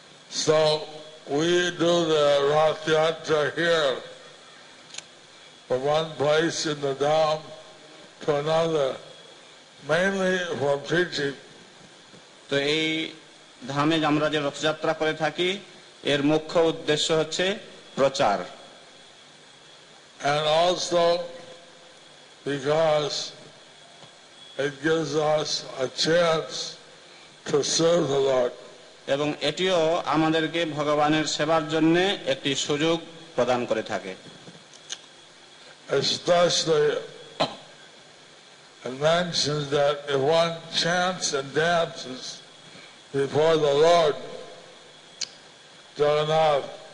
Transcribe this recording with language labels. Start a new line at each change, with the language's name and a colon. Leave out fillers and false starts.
English: So we do the Rath Yatra here from one place in the Dham to another, mainly for preaching.
Bangla: তো এই ধামে আমরা যে রথযাত্রা করে থাকি এর মুখ্য উদ্দেশ্য হচ্ছে প্রচার
English: And also because it gives us a chance to serve the Lord.
Bangla: এবং এটিও আমাদেরকে ভগবানের সেবার জন্য একটি সুযোগ প্রদান করে থাকে।
English: Before the Lord Jagannath,